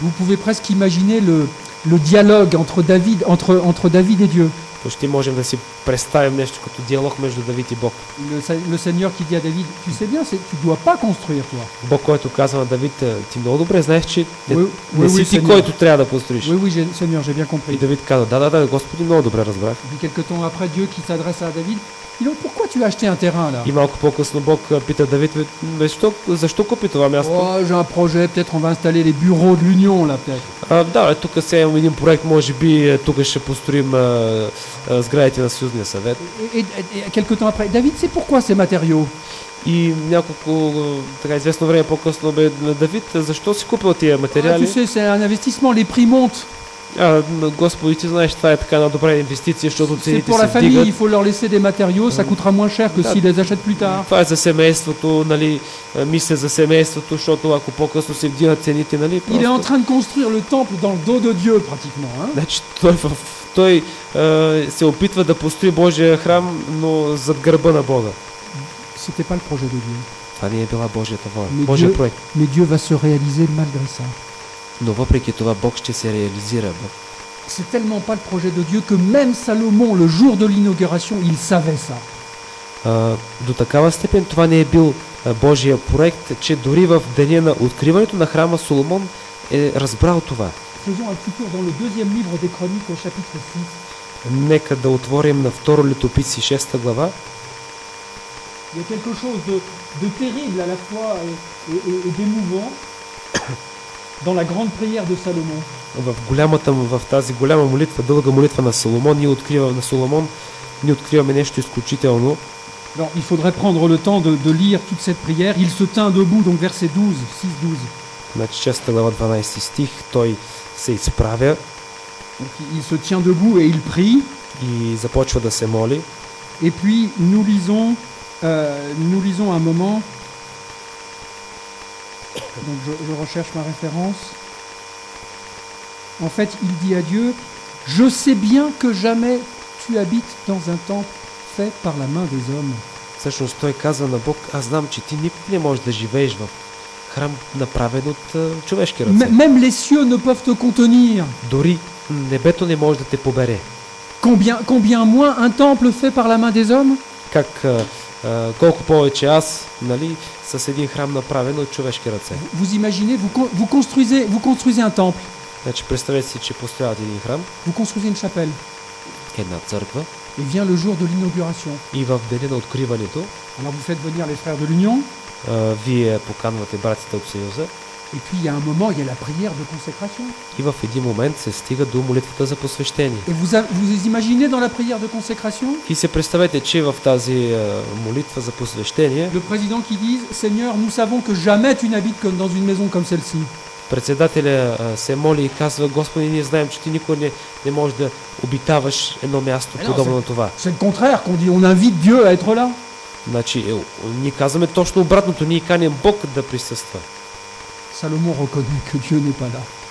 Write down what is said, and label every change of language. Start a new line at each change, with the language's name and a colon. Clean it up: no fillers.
French: Vous pouvez presque imaginer le dialogue entre David et Dieu.
Bulgarian: Почти можем да си представим нещо като диалог между Давид и Бог.
French: Le Seigneur qui dit à David, tu sais bien, tu dois pas construire toi.
Bulgarian: Бог, който казва на Давид, ти много добре знаеш, че не си ти, който трябва да построиш.
French: Oui, Seigneur, j'ai bien compris.
Bulgarian: И Давид казва, да, Господи, много добре разбрах.
French: Puis quelques temps après, Dieu qui s'adresse à David, Donc pourquoi tu as acheté un terrain là?
Bulgarian: И малко по-късно Бог пита Давид, защо купи това място?
French: Oh, j'ai un projet, peut-être on va installer les bureaux de l'Union là, peut-être.
Bulgarian: Да, тук сега имам един проект, може би тук ще построим сградите на Съюзния съвет.
French: Et quelques temps après, David, c'est pourquoi ces matériaux?
Bulgarian: И няколко така известно време по-късно бе Давид, защо си купил тия материали?
French: Ah, tu sais, c'est un investissement, les prix montent.
Bulgarian: Господи, ти знаеш, това е така една добра инвестиция, защото цените се вдигат.
French: C'est pour la famille, il faut leur laisser des matériaux, ça coûtera moins cher que s'ils les achètent plus tard.
Bulgarian: Това е за семейството, нали, мисля за семейството, защото ако по-късно се вдигат цените, нали, просто...
French: Il est en train de construire le temple dans le dos de Dieu, pratiquement.
Bulgarian: Значи, той се опитва да построи Божия храм, но зад гърба на Бога.
French: C'était pas le projet de Dieu.
Bulgarian: Това не е била Божията воля, Божия проект.
French: Mais Dieu va se réaliser malgré ça.
Bulgarian: Но въпреки това Бог ще се реализира.
French: C'est tellement pas le projet de Dieu que même Salomon le jour de l'inauguration, il savait ça.
Bulgarian: До такава степен това не е бил Божия проект, че дори в деня на откриването на храма Соломон е разбрал това.
French: Faisons un petit tour dans le deuxième livre des chroniques au chapitre 6.
Bulgarian: Нека да отворим на второ летописи 6-та глава.
French: Il y a quelque chose de terrible à la fois et d'émouvant. Dans la grande prière de Salomon.
Bulgarian: В тази голяма молитва, дълга молитва на Соломон, ние откриваме нещо изключително.
French: Alors, il faudrait prendre le temps de lire toute cette prière. Il se tint debout, donc verset 12, 6-12.
Bulgarian: Значи 6 глава 12 стих, той се изправя.
French: Il se tient debout et il prie.
Bulgarian: И започва да се моли.
French: Et puis nous lisons un moment. Donc je recherche ma référence. En fait, il dit à Dieu, je sais bien que jamais tu habites dans un temple fait par la main des hommes.
Bulgarian: Всъщност той каза на Бог, аз знам, че ти никога не можеш да живееш в храм, направен от човешки ръце.
French: Même les cieux ne peuvent te contenir.
Bulgarian: Дори небето не може да те побере.
French: Combien moins un temple fait par la main des hommes?
Bulgarian: Как колко повече аз, нали, с един храм направен от човешки ръце.
French: Vous imaginez, vous construisez un temple.
Bulgarian: Значи представете си, че построявате един храм.
French: Vous construisez une chapelle.
Bulgarian: Една църква.
French: Et vient le jour de l'inauguration.
Bulgarian: И в деня на откриването.
French: Alors vous faites venir les frères de l'Union.
Bulgarian: Вие поканвате братите от Съюза.
French: Et puis il y a un moment, il y a la prière de consécration.
Bulgarian: И в един момент се стига до молитвата за посвещение.
French: Et vous imaginez dans la prière de consécration?
Bulgarian: И се представете, че в тази молитва за посвещение.
French: Le président qui dit, Seigneur, nous savons que jamais tu n'habites comme dans une maison comme celle-ci.
Bulgarian: Председателя се моли и казва, Господи, ние знаем, че ти никога не можеш да обитаваш едно място подобно на това.
French: C'est le contraire, qu'on dit, on invite Dieu à être là.
Bulgarian: Значи, ние казваме точно обратното, ние каним Бог да присъства.
French: Salomon reconnaît que Dieu n'est pas là.